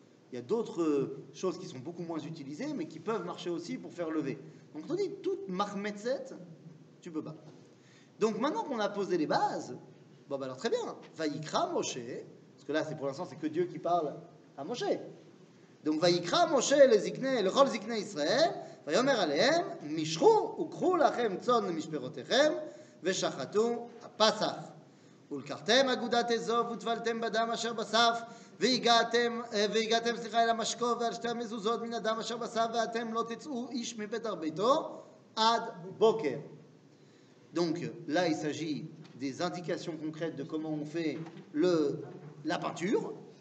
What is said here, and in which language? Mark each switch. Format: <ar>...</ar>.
<fr>Il y a d'autres choses qui sont beaucoup moins utilisées, mais qui peuvent marcher aussi pour faire lever. Donc, on dit toute marmetzet, tu peux pas. Donc, maintenant qu'on a posé les bases, bon, bah, alors très bien. Vayikra Moshe, parce que là, c'est pour l'instant, c'est que Dieu qui parle à Moshe. Donc, Vayikra Moshe le zikne, le rol zikne Israël.</fr> <he>ויאמר עליהם, משחו וקחו לכם צאן למשפחותיכם, ושחטו הפסח. ולקחתם אגודת אזוב וטבלתם בדם אשר בסף, והגעתם סליחה אל המשקוף ועל שתי המזוזות מן הדם אשר בסף, ואתם לא תצאו איש מבית ביתו עד בוקר.</he> <fr>Donc là il s'agit des indications concrètes de comment on fait la peinture.</fr>